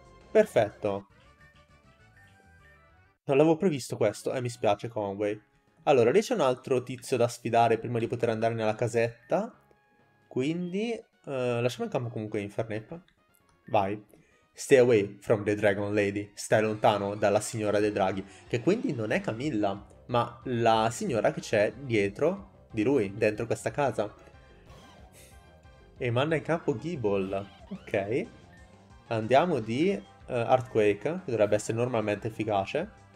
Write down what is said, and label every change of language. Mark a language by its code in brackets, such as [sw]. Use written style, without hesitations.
[it] Perfetto. Non l'avevo previsto questo, e mi spiace Conway. Allora, lì c'è un altro tizio da sfidare prima di poter andare nella casetta. Quindi, lasciamo in campo comunque Infernape. Vai. [en] Stay away from the Dragon Lady. [it] Stai lontano dalla signora dei draghi. Che quindi non è Camilla, ma la signora che c'è dietro di lui, dentro questa casa. E manda in campo Gible. Ok. Andiamo di Earthquake, che dovrebbe essere normalmente efficace.